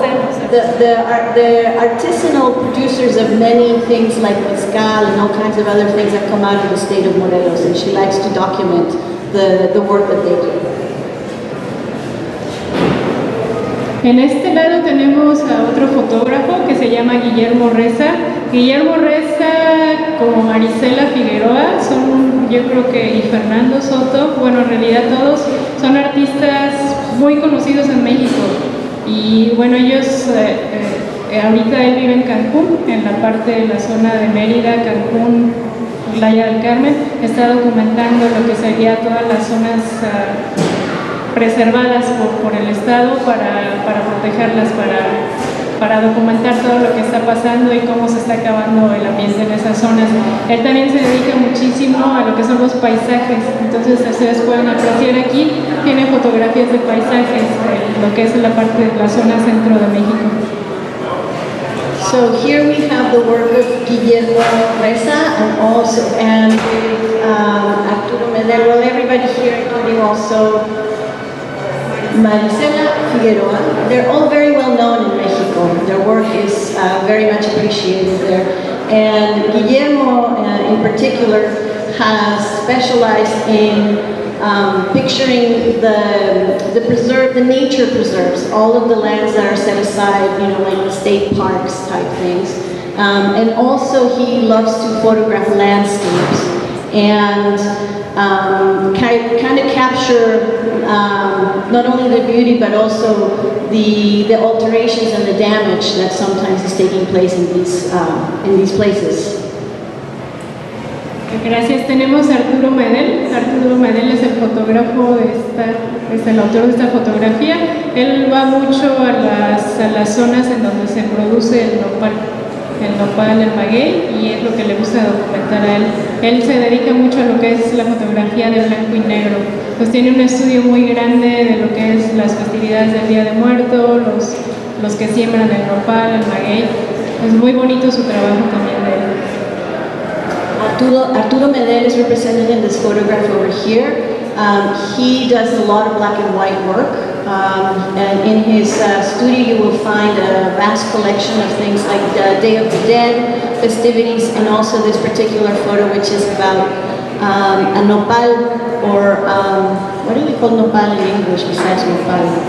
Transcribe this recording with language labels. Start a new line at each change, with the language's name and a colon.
English: All of the artisanal producers of many things like mezcal and all kinds of other things that come out of the state of Morelos, and she likes to document the work that they do.
Spanish: En este lado tenemos a otro fotógrafo que se llama Guillermo Reza. Guillermo Reza, como Marisela Figueroa, son, yo creo que, y Fernando Soto, bueno, en realidad todos, son artistas muy conocidos en México. Y bueno, ellos, ahorita él vive en Cancún, en la parte de la zona de Mérida, Cancún, Playa del Carmen, está documentando lo que sería todas las zonas preservadas por el Estado para protegerlas, para documentar todo lo que está pasando y cómo se está acabando el ambiente en esas zonas. Él también se dedica muchísimo a lo que son los paisajes, entonces ustedes pueden apreciar aquí, tiene fotografías de paisajes, lo que es la parte de la zona centro de México.
English: So here we have the work of Guillermo Reza and also and Arturo Medero, everybody here including also Marisela Figueroa. They're all very well known in Mexico. Their work is very much appreciated there. And Guillermo, in particular, has specialized in picturing the nature preserves, all of the lands that are set aside, you know, like state parks type things. And also, he loves to photograph landscapes and kind of capture not only the beauty but also the alterations and the damage that sometimes is taking place in these places.
Spanish: Gracias. Tenemos a Arturo Medel. Arturo Medel es el fotógrafo, es el autor de esta fotografía. Él va mucho a las zonas en donde se produce el nopal, el maguey, y es lo que le gusta documentar a él. Él se dedica mucho a lo que es la fotografía de blanco y negro. Pues tiene un estudio muy grande de lo que es las festividades del Día de Muertos, los que siembran el nopal, el maguey. Es muy bonito su trabajo también.
English: Arturo Medel is represented in this photograph over here. He does a lot of black and white work. And in his studio you will find a vast collection of things like the Day of the Dead festivities and also this particular photo which is about a nopal or what do you call nopal in English besides nopal?